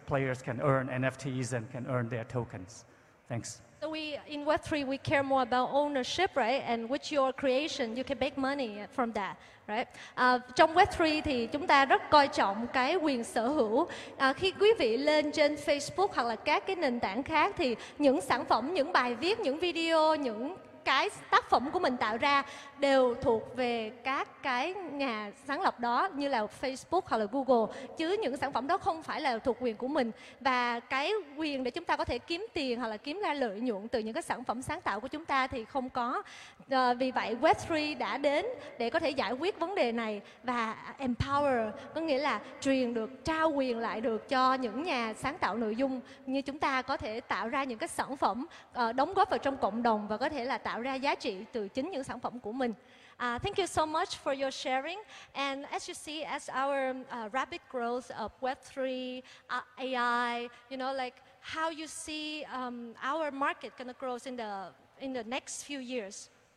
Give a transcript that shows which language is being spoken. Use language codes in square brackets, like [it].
[en] Players can earn NFTs and can earn their tokens. Thanks. So we in Web3, we care more about ownership, right? And with your creation, you can make money from that, right? [vi] Trong Web3 thì chúng ta rất coi trọng cái quyền sở hữu. Khi quý vị lên trên Facebook hoặc là các cái nền tảng khác thì những sản phẩm, những bài viết, những video, những cái tác phẩm của mình tạo ra đều thuộc về các cái nhà sáng lập đó như là Facebook hoặc là Google, chứ những sản phẩm đó không phải là thuộc quyền của mình. Và cái quyền để chúng ta có thể kiếm tiền hoặc là kiếm ra lợi nhuận từ những cái sản phẩm sáng tạo của chúng ta thì không có. Vì vậy Web3 đã đến để có thể giải quyết vấn đề này và empower, có nghĩa là truyền được, trao quyền lại được cho những nhà sáng tạo nội dung như chúng ta có thể tạo ra những cái sản phẩm đóng góp vào trong cộng đồng và có thể là tạo ra giá trị từ chính những sản phẩm của mình. [en] Thank you so much for your sharing. And as you see, as our rapid growth of Web3, AI, you know, like how you see our market gonna grow in the next few years.